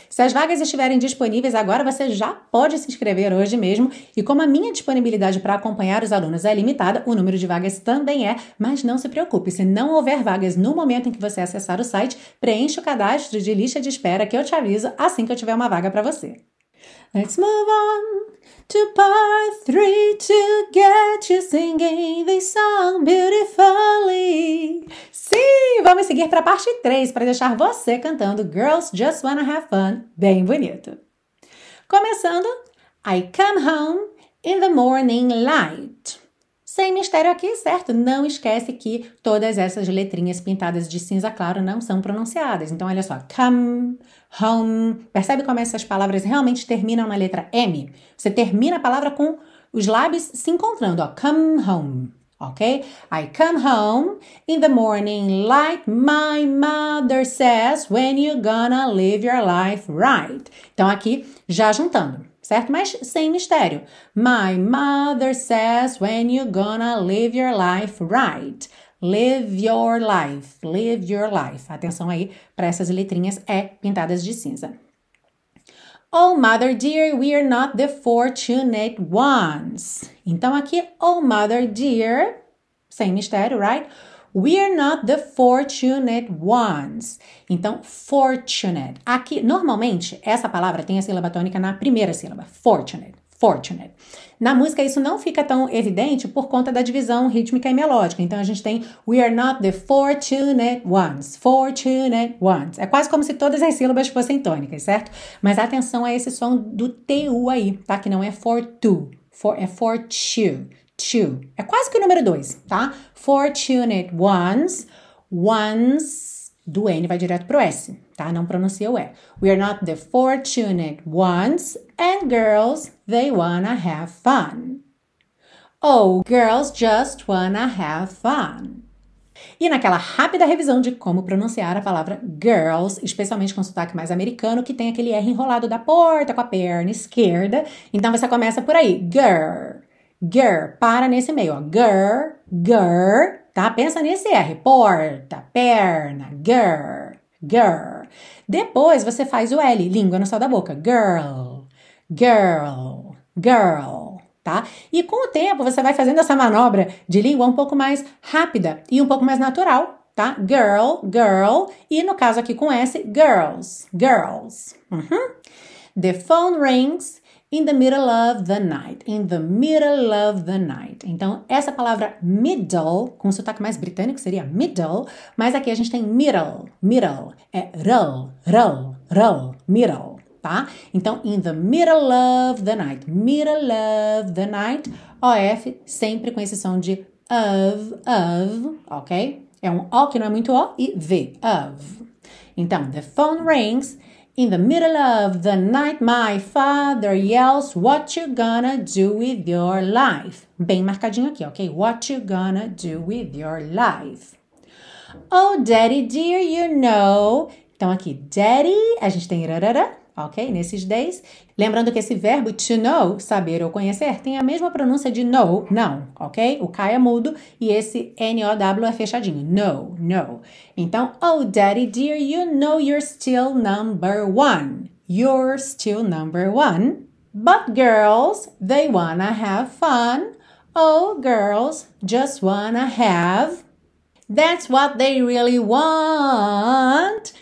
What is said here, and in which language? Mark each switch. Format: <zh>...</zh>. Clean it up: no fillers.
<pt>Se as vagas estiverem disponíveis agora, você já pode se inscrever hoje mesmo. E como a minha disponibilidade para acompanhar os alunos é limitada, o número de vagas também é, mas não se preocupe, se não houver vagas no momento em que você acessar o site, preencha o cadastro de lista de espera que eu te aviso assim que eu tiver uma vaga para você.</pt> <en>Let's move on to part three to get you singing this song beautifully.</en> <pt>Sim, vamos seguir para a parte 3 para deixar você cantando Girls Just Wanna Have Fun bem bonito. Começando,</pt> <en>I come home in the morning light.</en> <pt>Sem mistério aqui, certo? Não esquece que todas essas letrinhas pintadas de cinza claro não são pronunciadas. Então, olha só.</pt> <en>Come, home.</en> <pt>Percebe como essas palavras realmente terminam na letra M? Você termina a palavra com os lábios se encontrando, ó.</pt> <en>Come home, ok? I come home in the morning light. My mother says, when you gonna live your life right?</en> <pt>Então, aqui, já juntando. Certo? Mas sem mistério.</pt> <en>My mother says when you gonna live your life right. Live your life. Live your life.</en> <pt>Atenção aí para essas letrinhas E pintadas de cinza.</pt> <en>Oh, mother dear, we are not the fortunate ones.</en> <pt>Então aqui,</pt> <en>oh, mother dear,</en> <pt>sem mistério,</pt> <en>right? We are not the fortunate ones.</en> <pt>Então, fortunate. Aqui, normalmente, essa palavra tem a sílaba tônica na primeira sílaba. Fortunate. Fortunate. Na música, isso não fica tão evidente por conta da divisão rítmica e melódica. Então, a gente tem</pt> <en>We are not the fortunate ones. Fortunate ones.</en> <pt>É quase como se todas as sílabas fossem tônicas, certo? Mas atenção a esse som do TU aí, tá? Que não é for to. For, é for to. Two. É quase que o número 2, tá?</pt> <en>Fortunate ones. Ones.</en> <pt>Do N vai direto pro S, tá? Não pronuncia o E.</pt> <en>We are not the fortunate ones. And girls, they wanna have fun. Oh, girls just wanna have fun.</en> <pt>E naquela rápida revisão de como pronunciar a palavra girls, especialmente com sotaque mais americano, que tem aquele R enrolado da porta com a perna esquerda. Então você começa por aí. Girl. Girl, para nesse meio, ó. Girl, girl, tá? Pensa nesse R. Porta, perna, girl, girl. Depois você faz o L, língua no céu da boca. Girl, Girl, girl, tá? E com o tempo você vai fazendo essa manobra de língua um pouco mais rápida e um pouco mais natural, tá? Girl, girl, e no caso aqui com S, girls, girls.</pt> <en>The phone rings in the middle of the night. In the middle of the night.</en> <pt>Então, essa palavra middle, com sotaque mais britânico, seria middle, mas aqui a gente tem middle, middle. É rl, rl, rl, middle. Tá?</pt> <en>Então, in the middle of the night, middle of the night, OF,</en> <pt>sempre com esse som de</pt> <en>of, ok?</en> <pt>É um O que não é muito O e V, of.</pt> <en>Então, the phone rings, in the middle of the night, my father yells, what you gonna do with your life?</en> <pt>Bem marcadinho aqui,</pt> <en>ok? What you gonna do with your life? Oh, daddy dear, you know.</en> <pt>Então, aqui, daddy, a gente tem rarara. Ok? Nesses days. Lembrando que esse verbo to know, saber ou conhecer, tem a mesma pronúncia de know, não, ok? O K é mudo e esse N-O-W é fechadinho.</pt> <en>No, no. Então, oh, daddy dear, you know you're still number one. You're still number one. But girls, they wanna have fun. Oh, girls, just wanna have. That's what they really want.</en>